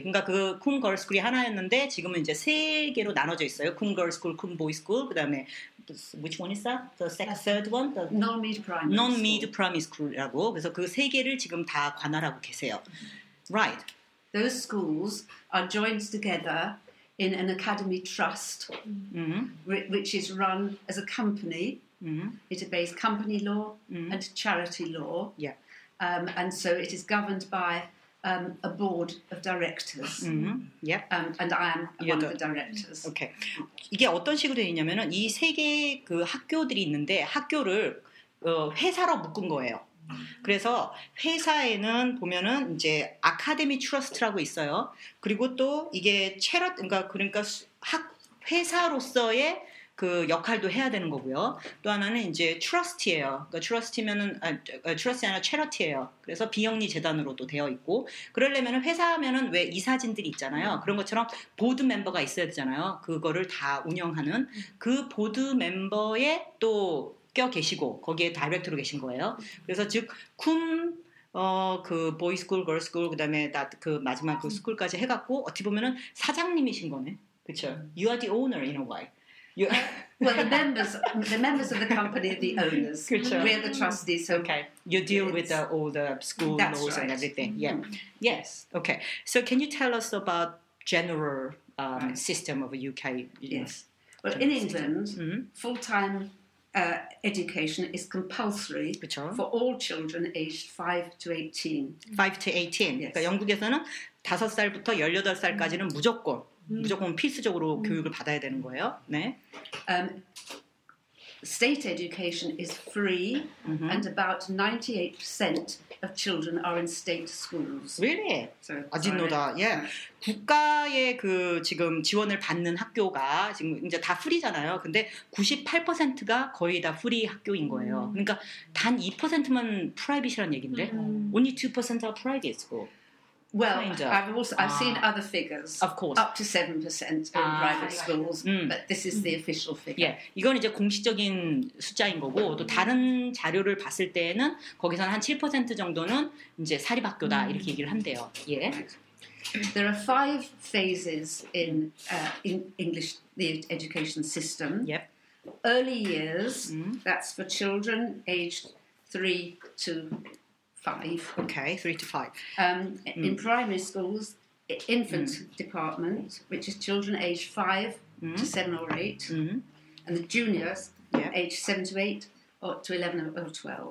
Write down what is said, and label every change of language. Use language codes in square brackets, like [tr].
[ko] 그러니까 그 쿰 걸 스쿨이 하나였는데 지금은 이제 세 개로 나눠져 있어요. 쿰 걸 스쿨, 쿰 보이 스쿨, 그다음에 [en] Which one is that? The third one? Non-Mid Primary School라고. [ko] 그래서 그 세 개를 지금 다 관할하고 계세요. [en] Right. Those schools are joined together in an academy trust, which is run as a company. It obeys company law and charity law. Yeah. And so it is governed by a board of directors. And I am one of the directors. Okay. [ko] 이게 어떤 식으로 되냐면은 이 세 개의 그 학교들이 있는데 학교를 회사로 묶은 거예요. 그래서 회사에는 보면은 이제 아카데미 트러스트라고 있어요. 그리고 또 이게 체럿 그러니까 회사로서의 그 역할도 해야 되는 거고요. 또 하나는 이제 트러스트예요. 그러니까 트러스트면은 트러스트 아니라 체러티예요. 그래서 비영리 재단으로도 되어 있고 그러려면은 회사면은 왜 이사진들이 있잖아요. 그런 것처럼 보드 멤버가 있어야 되잖아요. 그거를 다 운영하는 그 보드 멤버에 또 껴 계시고 거기에 다이렉터로 계신 거예요. 그래서 즉 쿰 그 보이 스쿨, 걸 스쿨 그다음에 그 마지막 그 스쿨까지 해 갖고 어떻게 보면은 사장님이신 거네. 그렇죠? [en] You are the owner in a way. Well, the members of the company are the owners. We are the trustees. So okay. You deal with all the school laws and everything. Yeah. Yes. Okay. So can you tell us about general system of UK? Yes. Well, in England, full-time education is compulsory [ko] 그쵸? [en] for all children aged 5 to 18. 5 to 18. Yes. [ko] 그러니까 영국에서는 5살부터 18살까지는 무조건 무조건 필수적으로 교육을 받아야 되는 거예요. 네. [en] State education is free and about 98% of children are in state schools. Really? So, I didn't know that. Yeah. [ko] 국가의 그 지금 지원을 받는 학교가 지금 이제 다 프리잖아요. 근데 98%가 거의 다 프리 학교인 거예요. 그러니까 단 2%만 프라이빗이라는 얘긴데. [en] Only 2% are private school. Well, I've seen other figures. Of course. Up to 7% in private schools, but this is the official figure. Yeah. [ko] 이건 이제 공식적인 숫자인 거고 또 다른 자료를 봤을 때는 거기서는 한 7% 정도는 이제 사립학교다 이렇게 얘기를 한대요. 예. [en] There are five phases in English the education system. Yep. Early years, that's for children aged 3 to 5. Okay, 3 to 5. In primary schools, infant department, which is children aged 5 to 7 or 8, and the juniors, aged 7 to 8 or 11 or 12.